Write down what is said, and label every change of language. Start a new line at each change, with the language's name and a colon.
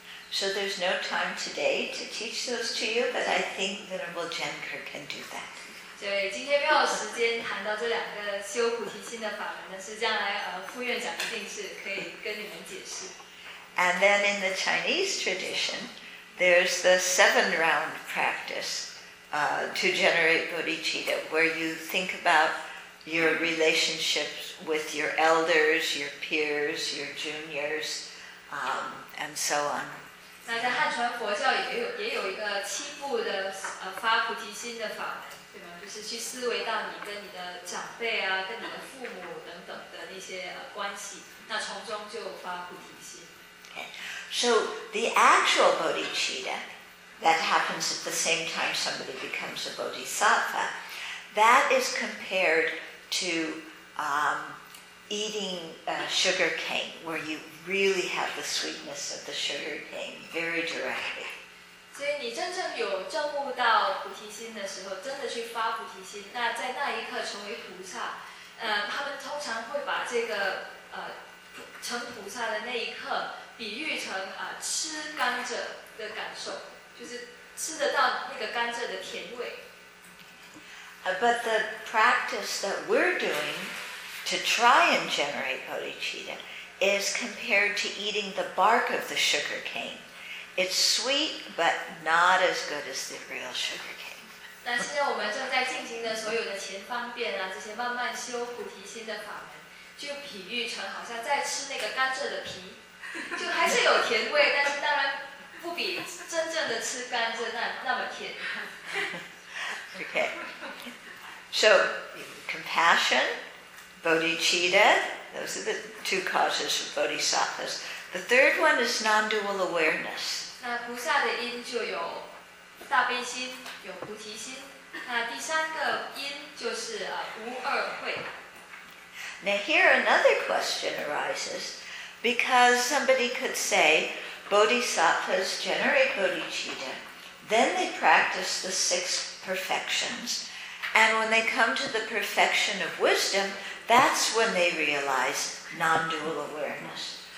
English: So there's no time today to teach those to you, but I think Venerable Jen Kerr can do that.
Chinese: So, 今天没有时间谈到这两个修菩提心的法门，但是将来副院长一定是可以跟你们解释。
English: And then in the Chinese tradition, there's the seven round practice. To generate bodhicitta, where you think about your relationships with your elders, your peers, your juniors, and so on.
Chinese: 那在汉传佛教也有一个七步的发菩提心的法门，对吗？就是去思维到你跟你的长辈啊，跟你的父母等等的那些关系，那从中就发菩提心。
English: Okay. So the actual bodhicitta. That happens at the same time somebody becomes a bodhisattva. That is compared to eating sugar cane, where you really have the sweetness of the sugar cane very directly.
Chinese: 所以你真正有证悟到菩提心的时候，真的去发菩提心，那在那一刻成为菩萨，他们通常会把这个成菩萨的那一刻比喻成吃甘蔗的感受，就是吃得到那个甘蔗的甜味。
English: But the practice that we're doing to try and generate bodhicitta is compared to eating the bark of the sugar cane. It's sweet, but not as good as the real sugar cane.
Chinese: 但现在我们正在进行的所有的前方便啊，这些慢慢修菩提心的法门，就比喻成好像在吃那个甘蔗的皮，就还是有甜味，但是当然不比真正的吃甘蔗那么甜。
English: Okay, so compassion, bodhicitta, those are the two causes of bodhisattvas. The third one is non-dual awareness.
Chinese: 那菩萨的因就有大悲心，有菩提心。那第三个因就是无二慧。
English: Now here another question arises, because somebody could say bodhisattvas generate bodhicitta, then they practice the six perfections, and when they come to the perfection of wisdom, that's when they realize non-dual awareness.